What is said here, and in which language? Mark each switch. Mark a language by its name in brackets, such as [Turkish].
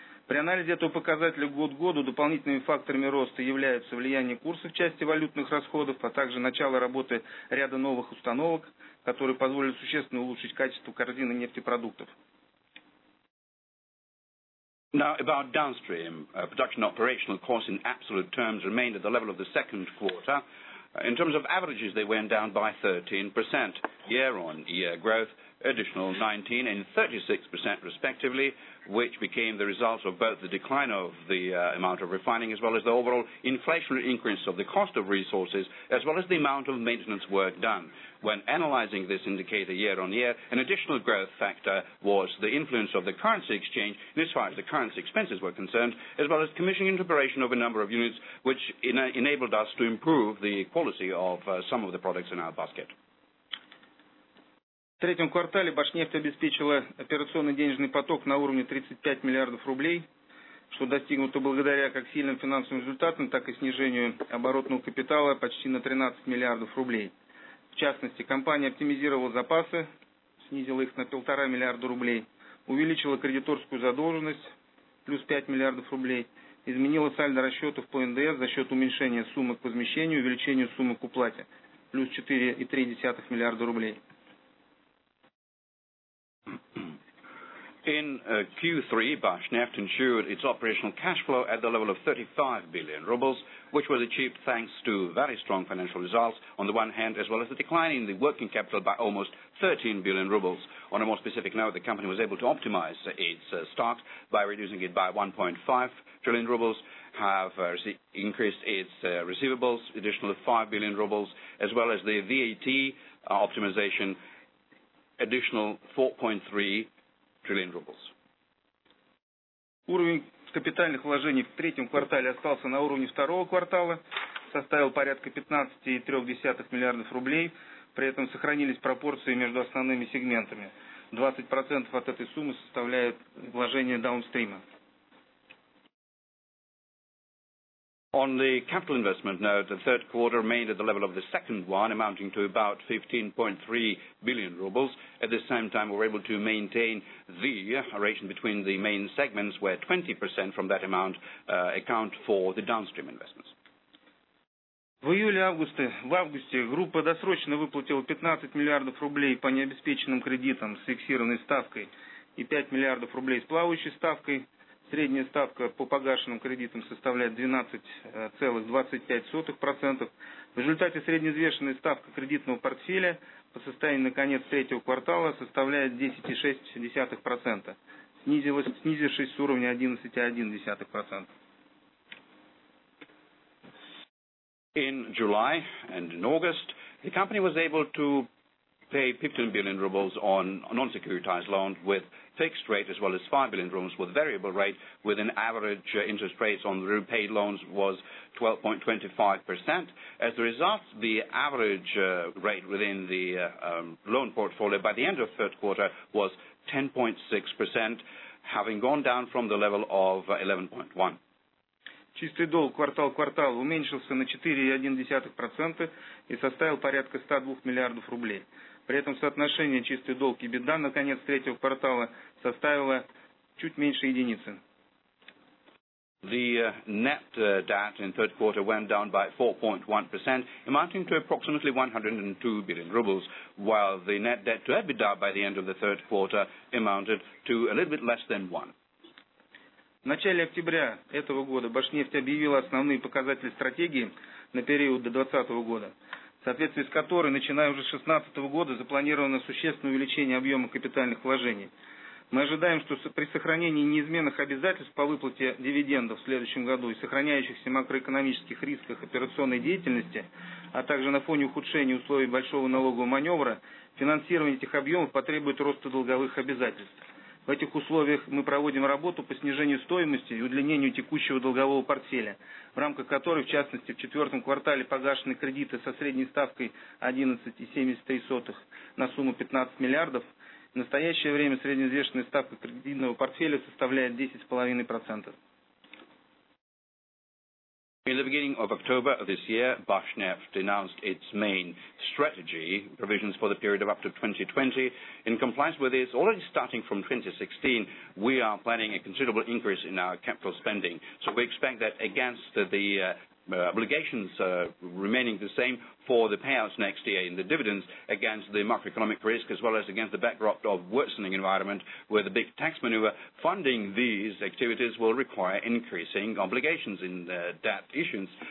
[Russian] При анализе этого показателя год к году дополнительными факторами роста являются влияние курса в части валютных расходов, а также начало работы ряда новых установок, которые позволят существенно улучшить качество корзины нефтепродуктов. [English] Now, about downstream, production operational costs in absolute terms remained at the level of the second quarter. In terms of averages, they went down by 13% year-on-year growth, additional 19% and 36% respectively, which became the result of both the decline of the amount of refining as well as the overall inflationary increase of the cost of resources as well as the amount of maintenance work done. When analyzing this indicator year-on-year, an additional growth factor was the influence of the currency exchange as far as the currency expenses were concerned, as well as commissioning and operation of a number of units which enabled us to improve the quality of some of the products in our basket. [Russian] В третьем квартале Башнефть обеспечила операционный денежный поток на уровне 35 миллиардов рублей, что достигнуто благодаря как сильным финансовым результатам, так и снижению оборотного капитала почти на 13 миллиардов рублей. В частности, компания оптимизировала запасы, снизила их на 1,5 миллиарда рублей, увеличила кредиторскую задолженность плюс 5 миллиардов рублей, изменила сальдо расчетов по НДС за счет уменьшения суммы к возмещению, увеличения суммы к уплате плюс 4,3 миллиарда рублей. [English] In Q3, Башнефть ensured its operational cash flow at the level of 35 billion rubles, which was achieved thanks to very strong financial results on the one hand, as well as the decline in the working capital by almost 13 billion rubles. On a more specific note, the company was able to optimize its stock by reducing it by 1.5 trillion rubles, have increased its receivables, additional 5 billion rubles, as well as the VAT optimization, additional 4.3 trillion. [Russian] Уровень капитальных вложений в третьем квартале остался на уровне второго квартала, составил порядка 15,3 миллиардов рублей, при этом сохранились пропорции между основными сегментами. 20% от этой суммы составляет вложение даунстрима. [English] On the capital investment note, the third quarter remained at the level of the second one, amounting to about 15.3 billion rubles. At the same time, we were able to maintain the ratio between the main segments, where 20% from that amount account for the downstream investments. [Russian] В августе группа досрочно выплатила 15 миллиардов рублей по необеспеченным кредитам с фиксированной ставкой и 5 миллиардов рублей с плавающей ставкой. Средняя ставка по погашенным кредитам составляет 12,25%. В результате среднеизвешенная ставка кредитного портфеля по состоянию на конец третьего квартала составляет 10,6%, снизившись с уровня 11,1%. [English] In July and in August, the company was able to pay 15 billion rubles on non-securitized loans with fixed rate as well as 5 billion rubles with variable rate with an average interest rate on the repaid loans was 12.25%. As a result, the average rate within the loan portfolio by the end of third quarter was 10.6%, having gone down from the level of 11.1%. [Russian] Чистый долг квартал-квартал уменьшился на 4,1% и составил порядка 102 миллиардов рублей. При этом соотношение чистый долг и беда на конец третьего квартала составило чуть меньше единицы. [English] The net debt in third quarter went down by 4.1%, amounting to approximately 102 billion rubles, while the net debt to EBITDA by the end of the third quarter amounted to a little bit less than one. [Russian] В начале октября этого года Башнефть объявила основные показатели стратегии на период до 2020 года, в соответствии с которой, начиная уже с 2016 года, запланировано существенное увеличение объема капитальных вложений. Мы ожидаем, что при сохранении неизменных обязательств по выплате дивидендов в следующем году и сохраняющихся макроэкономических рисках операционной деятельности, а также на фоне ухудшения условий большого налогового маневра, финансирование этих объемов потребует роста долговых обязательств. В этих условиях мы проводим работу по снижению стоимости и удлинению текущего долгового портфеля, в рамках которой, в частности, в четвертом квартале погашены кредиты со средней ставкой 11,73 на сумму 15 миллиардов. В настоящее время среднеизвешенная ставка кредитного портфеля составляет 10,5%. [English] In the beginning of October of this year, Башнефть announced its main strategy provisions for the period of up to 2020. In compliance with this, already starting from 2016, we are planning a considerable increase in our capital spending. So we expect that against the obligations remaining the same for the payouts next year in the dividends against the macroeconomic risk as well as against the backdrop of worsening environment with a big tax maneuver, funding these activities will require increasing obligations in the debt issuance.